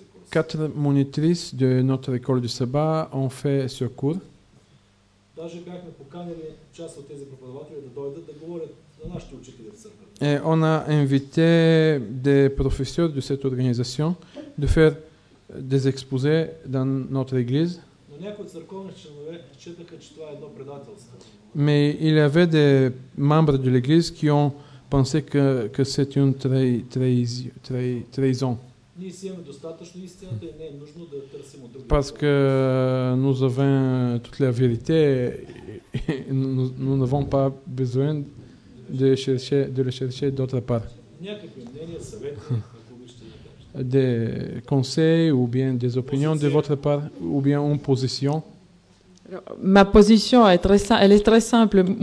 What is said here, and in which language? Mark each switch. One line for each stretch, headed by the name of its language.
French: Quatre monitrices de notre école du sabbat ont fait ce cours.
Bulgarian: Даже бяхме поканили част от тези преподаватели да дойдат да говорят на нашите учители в църквата.
French: Et on a invité des professeurs de cette organisation de faire des exposés dans notre église.
Bulgarian: Но някои църковни членове четаха, че това е едно предателство.
French: Mais il y avait des membres de l'église qui ont pensé que c'est une trahison.
Bulgarian: Ние си имаме достатъчно истината и не е нужно да търсим от други.
French: Parce que nous avons toute la vérité et nous n'avons pas besoin de le chercher d'autre part.
Bulgarian: Някакви мнения, съвети, ако обичате да кажете.
French: Des conseils ou bien des opinions de votre part ou bien une position. Ma position est très simple.